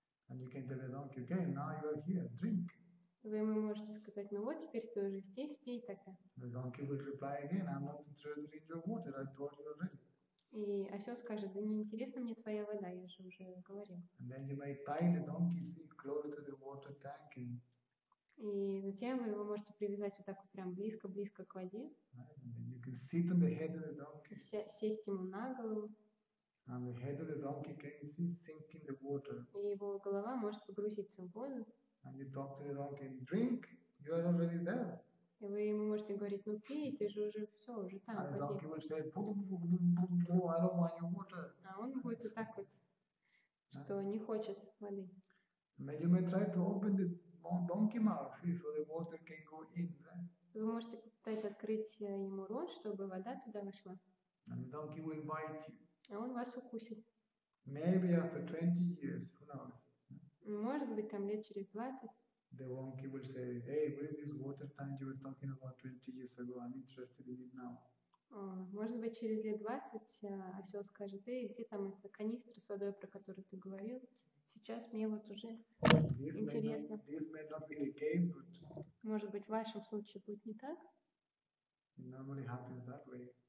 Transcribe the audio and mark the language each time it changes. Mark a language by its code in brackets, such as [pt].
[en] And you can tell the donkey, okay, now you are here, drink. [ru] Вы ему можете сказать, ну вот теперь ты уже здесь, пей тогда. [en] The donkey will reply again, I'm not interested in your water, I told you already. [ru] И осел скажет, да неинтересна мне твоя вода, я же уже говорил. [en] And then you might tie the donkey, see, close to the water tank. And... [ru] И затем вы его можете привязать вот так вот прям близко-близко к воде. [en] And then you can sit on the head of the donkey. [ru] Сесть ему на голову. [en] And the head of the donkey can see, sink in the water. [ru] И его голова может погрузиться в воду. [en] And you talk to the donkey, drink, you are already there. [ru] И вы ему можете говорить, ну пей, ты же уже все, уже там. [en] And the donkey will say, I don't want your water. [ru] А он будет вот так вот, что не хочет воды. [en] Then you may try to open the donkey mouth, see, so the water can go in. [ru] Вы можете попытать открыть ему рот, чтобы вода туда вошла. [en] And the donkey will bite you. [ru] А он вас укусит. [en] Maybe after 20 years, who knows? [ru] Может быть, там лет через 20. [en] The donkey will say, hey, where is this water tank you were talking about 20 years ago? I'm interested in it now. [ru] Может быть, через лет 20 осел скажет, эй, где там эта канистра с водой, про которую ты говорил? Сейчас мне вот уже интересно. [en] This may not be the case, but... [ru] Может быть, в вашем случае будет не так? [en] It normally happens that way.